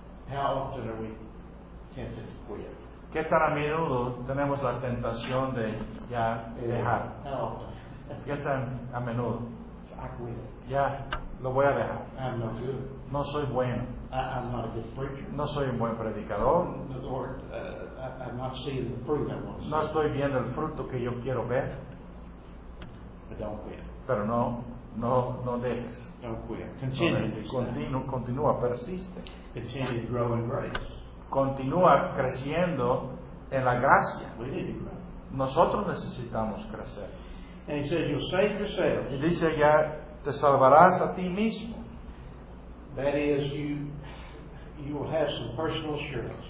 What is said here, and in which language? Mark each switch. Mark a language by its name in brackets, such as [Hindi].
[English] How often are we tempted to quit? [Spanish] ¿Qué tan a menudo tenemos la tentación de ya dejar? No. ¿Qué tan a menudo? [English] I [Spanish] ya lo voy a dejar. [English] I'm not good. [Spanish] No soy bueno. [English] I'm not a good preacher. [Spanish] No soy un buen predicador. [English] I'm not seeing the fruit I want to see. [Spanish] No estoy viendo el fruto que yo quiero ver. [English] But don't quit. [Spanish] Pero no dejes. [English] Don't quit. Continue. [Spanish] Continúa, persiste. [English] Continue to grow in grace. [Spanish] Continúa creciendo en la gracia. [English] We need to grow. [Spanish] Nosotros necesitamos crecer. [English] And he says, you'll save yourself. [Spanish] Y dice ya, te salvarás a ti mismo. [English] That is, you will have some personal assurance.